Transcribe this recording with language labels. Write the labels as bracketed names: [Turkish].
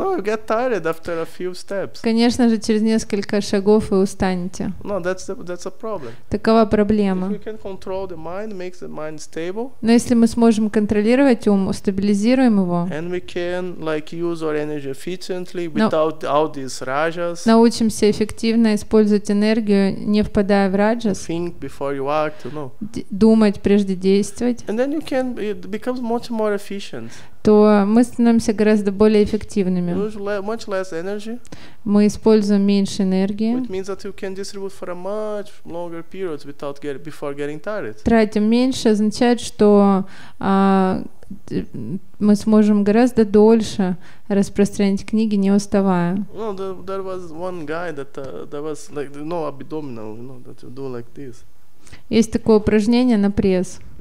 [English] No, you get tired after a few steps. [Russian] Конечно же, через несколько шагов вы устанете. [English] No, that's a problem. [Russian] Такова проблема. [English] If we can control the mind, make the mind stable. [Russian] Но если мы сможем контролировать ум, стабилизируем его. [English] And we can like use our energy efficiently without all these rajas. [Russian] Научимся эффективно использовать энергию, не впадая в раджас. [English] Think before you act, you know. [Russian] Думать прежде действовать. [English] And then you can, it becomes much more efficient. [Russian] То мы становимся гораздо более эффективными. [English] Much less energy. [Russian] Мы используем меньше энергии. [English] It means that you can distribute for a much longer period without before getting tired. [Russian] Тратим меньше, означает, что мы сможем гораздо дольше распространять книги, не уставая. [English] No, there was one guy that there was like no abdominal, you know, that you do like this. [Russian] Есть такое упражнение на пресс.